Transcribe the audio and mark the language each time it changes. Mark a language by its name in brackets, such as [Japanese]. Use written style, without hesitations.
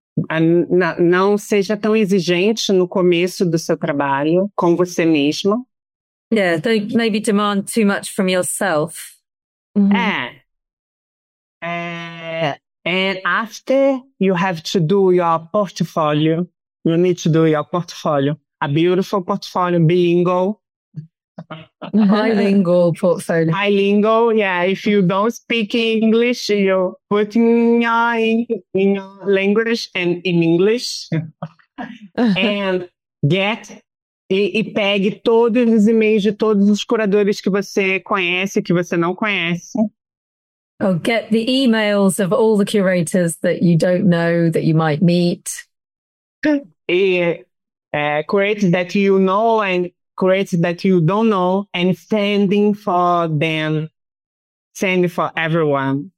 [Portuguese] Não seja tão exigente no começo do seu trabalho com você mesmo. [English] Yeah, don't maybe demand too much from yourself. And after, you have to do your portfolio. You need to do your portfolio. A beautiful portfolio, bilingual. Bilingual portfolio. Bilingual, yeah. If you don't speak English, you put in your language and in English. And get... [Portuguese] E pegue todos os e-mails de todos os curadores que você conhece e que você não conhece. [English] Oh, get the emails of all the curators that you don't know that you might meet. E curators that you know and curators that you don't know, and sending for them, sending for everyone.